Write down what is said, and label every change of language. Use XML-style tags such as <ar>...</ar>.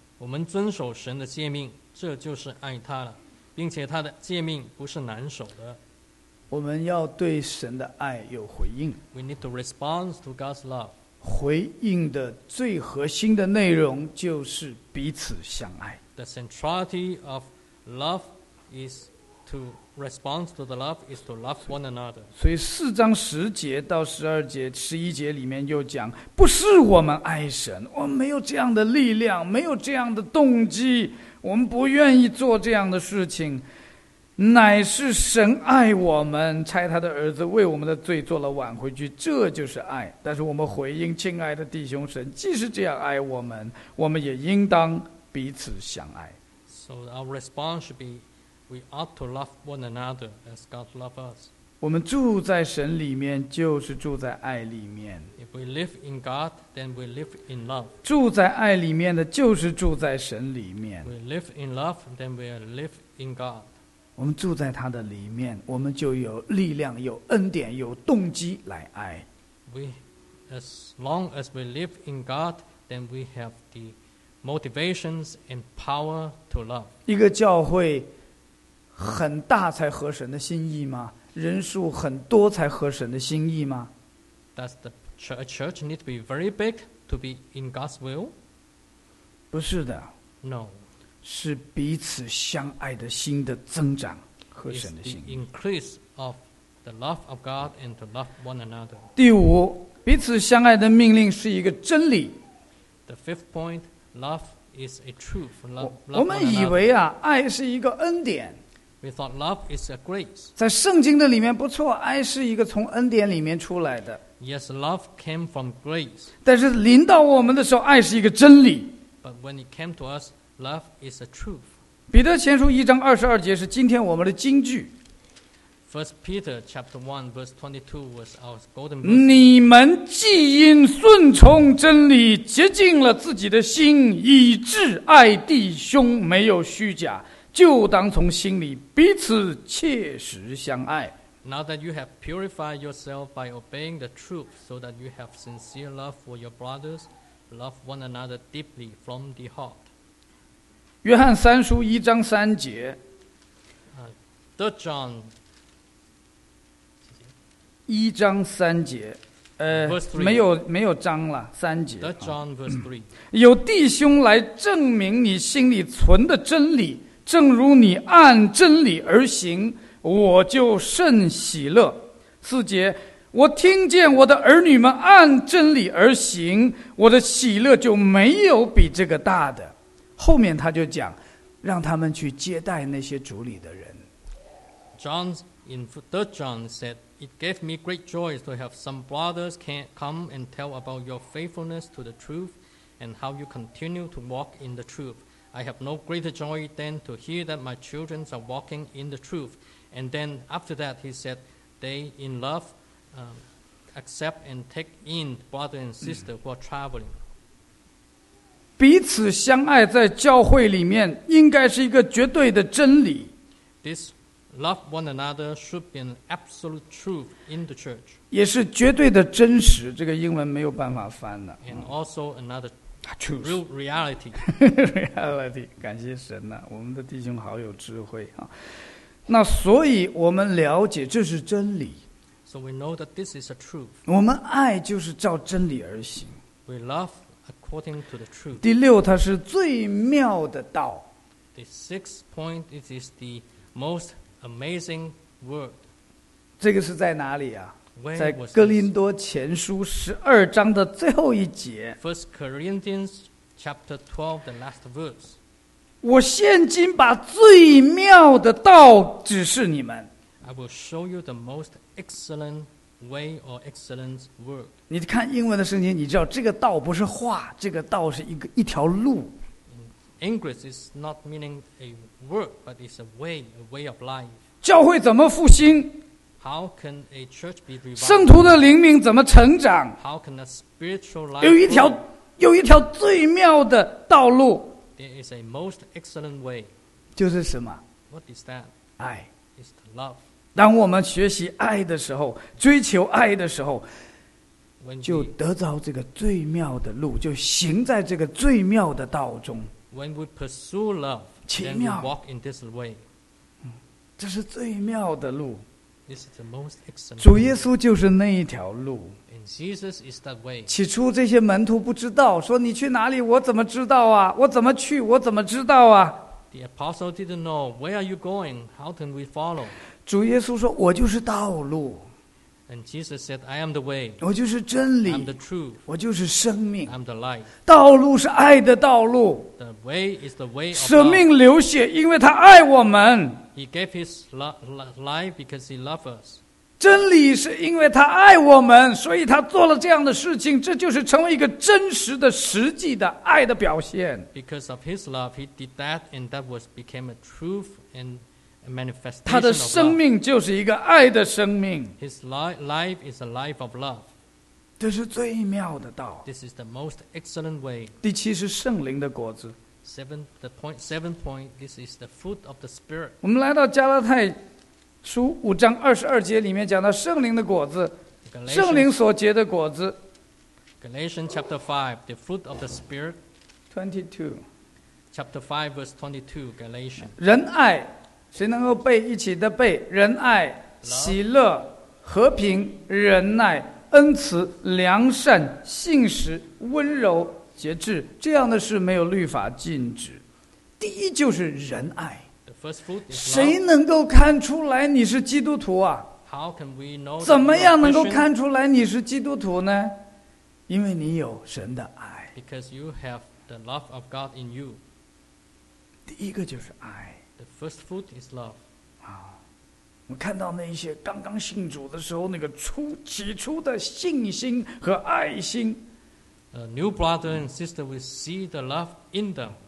<zh>我们遵守神的诫命，这就是爱他了，并且他的诫命不是难守的。我们要对神的爱有回应。</zh> <en>We need to respond to God's love.</en> <zh>回应的最核心的内容就是彼此相爱。</zh> <en>The centrality of love is to respond to the love is to love one another.</en> <zh>所以四章十节到十二节、十一节里面又讲，不是我们爱神，我们没有这样的力量，没有这样的动机，我们不愿意做这样的事情。乃是神爱我们，差他的儿子为我们的罪做了挽回祭，这就是爱。但是我们回应，亲爱的弟兄，神既是这样爱我们，我们也应当彼此相爱。</zh> <en>So our response should be we ought to love one another as God loves us.</en> <zh>我们住在神里面，就是住在爱里面。</zh> <en>If we live in God, then we live in love.</en> <zh>住在爱里面的就是住在神里面。</zh> <en>We live in love, then we live in God.</en> <zh>我们住在他的里面，我们就有力量、有恩典、有动机来爱。</zh> <en>We, as long as we live in God, then we have the motivations and power to love.</en> <zh>一个教会很大才合神的心意吗？人数很多才合神的心意吗？</zh> <en>Does the church need to be very big to be in God's will?</en> <zh>不是的。</zh> <en>No.</en> <zh>是彼此相爱的心的增长和神的心意。</zh> <en>It's the increase of the love of God and to love one another.</en> <zh>第五，彼此相爱的命令是一个真理。</zh> <en>The fifth point, love is a truth. Love</en> <zh>我们以为啊，爱是一个恩典。</zh> <en>We thought love is a grace.</en> <zh>在圣经的里面不错，爱是一个从恩典里面出来的。</zh> <en>Yes, love came from grace.</en> <zh>但是临到我们的时候，爱是一个真理。</zh> <en>But when it came to us, love is a truth.</en> <zh>彼得前书一章二十二节是今天我们的金句。</zh> <en>First Peter chapter 1 verse 22 was our golden verse.</en> <zh>你们既因顺从真理，洁净了自己的心，以致爱弟兄没有虚假。就当从心里彼此切实相爱。</zh> <en>Now that you have purified yourself by obeying the truth, so that you have sincere love for your brothers, love one another deeply from the heart.</en> <zh>约翰三书一章三节。</zh> <en>Third John.</en> <zh>一章三节。没有章了，三节。</zh> <en>Third John verse three.</en> <zh>有弟兄来证明你心里存的真理。正如你按真理而行，我就甚喜乐。四节，我听见我的儿女们按真理而行，我的喜乐就没有比这个大的。后面他就讲，让他们去接待那些主里的人。</zh> <en>John in Third John said, "It gave me great joy to have some brothers come and tell about your faithfulness to the truth, and how you continue to walk in the truth." I have no greater joy than to hear that my children are walking in the truth. And then after that, he said, they in love accept and take in brother and sister who are traveling.</en> <zh>彼此相爱在教会里面应该是一个绝对的真理。</zh> <en>This love one another should be an absolute truth in the church.</en> <zh>也是绝对的真实，这个英文没有办法翻的。</zh> <en>And also another truth. Truth. Real reality. reality.</en> <zh>感谢神呐、啊，我们的弟兄好有智慧啊。那所以我们了解这是真理。</zh> <en>So we know that this is a truth.</en> <zh>我们爱就是照真理而行。</zh> <en>We love according to the truth.</en> <zh>第六，它是最妙的道。</zh> <en>The sixth point it is the most amazing word.</en> <zh>这个是在哪里啊？</zh> <en>When、</en> <zh>在哥林多前书十二章的最后一节。</zh> <en>First Corinthians chapter 12, the last verse.</en> <zh>我现今把最妙的道指示你们。</zh> <en>I will show you the most excellent way or excellent word.</en> <zh>你看英文的圣经，你知道这个道不是话，这个道是一条路。</zh> <en>In English is not meaning a word, but it's a way of life.</en> <zh>教会怎么复兴？</zh> <en>How can a church be revived?</en> <zh>圣徒的灵命怎么成长？</zh> <en>How can a spiritual life</en> <zh>有一条最妙的道路。</zh> <en>There is a most excellent way.</en> <zh>就是什么？</zh> <en>What is that?</en> <zh>爱。</zh> <en>It's love.</en> <zh>当我们学习爱的时候，追求爱的时候，就得到这个最妙的路，就行在这个最妙的道中。</zh> <en>When we pursue love, then we walk in this way.</en> <zh>这是最妙的路。</zh> <en>This is the most excellent.</en> <zh>主耶稣就是那一条路。</zh> <en>And Jesus is that way.</en> <zh>起初这些门徒不知道，说你去哪里？我怎么知道啊？我怎么去？我怎么知道啊？</zh> <en>The apostle didn't know. Where are you going? How can we follow?</en> <zh>主耶稣说，我就是道路。</zh> <en>And Jesus said, "I am the way."</en> <zh>我就是真理。</zh> <en>I'm the truth.</en> <zh>我就是生命。</zh> <en>I'm the life.</en> <zh>道路是爱的道路。</zh> <en>The way is the way of love.</en> <zh>舍命流血，因为他爱我们。</zh> <en>He gave his life because he loved us.</en> <zh>真理是因为他爱我们，所以他做了这样的事情，这就是成为一个真实的、实际的爱的表现。</zh> <en>Because of his love, he did that, and that was became a truth and.</en> <zh>他的生命就是一个爱的生命。</zh> <en>His life is a life of love.</en> <zh>这是最妙的道。</zh> <en>This is the most excellent way.</en> <zh>第七是圣灵的果子。</zh> <en>Seventh point. This is the fruit of the spirit.</en> <zh>我们来到加拉太书五章二十二节里面讲到圣灵的果子，圣灵所结的果子。</zh> <en>Galatians chapter five, the fruit of the spirit. 22. Chapter five, verse 22, Galatians.</en> <zh>仁爱。谁能够背一起的背？仁爱、喜乐、和平、忍耐、恩慈、良善、信实、温柔、节制，这样的事没有律法禁止。第一就是仁爱。</zh> <en>The first fruit is love.</en> <zh>谁能够看出来你是基督徒啊？</zh> <en>How can we know?</en> <zh>怎么样能够看出来你是基督徒呢？因为你有神的爱。</zh> <en>Because you have the love of God in you.</en> <zh>第一个就是爱。</zh> <en>The first fruit is love.</en> <zh>啊，我看到那些刚刚信主的时候，那个起初的信心和爱心。</zh> <en>New brother and sister, we see the love in them.</en>